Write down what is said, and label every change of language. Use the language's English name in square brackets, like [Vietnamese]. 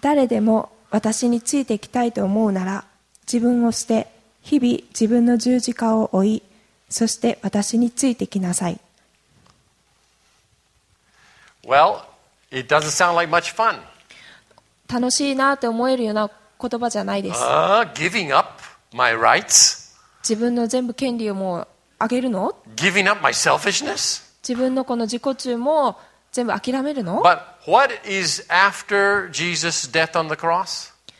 [Japanese] 誰でも私についていきたいと思うなら、自分を捨て、日々自分の十字架を追い、そして私についてきなさい。 [English] Well, it doesn't sound like much fun. [Japanese] 楽しいなって思えるような言葉じゃないです。 [English] Giving up my rights? [Japanese] 自分の全部権利をもうあげるの? [English] Giving up my selfishness? [Japanese] 自分のこの自己中も全部諦めるの? [English] But what is after Jesus' death on the cross?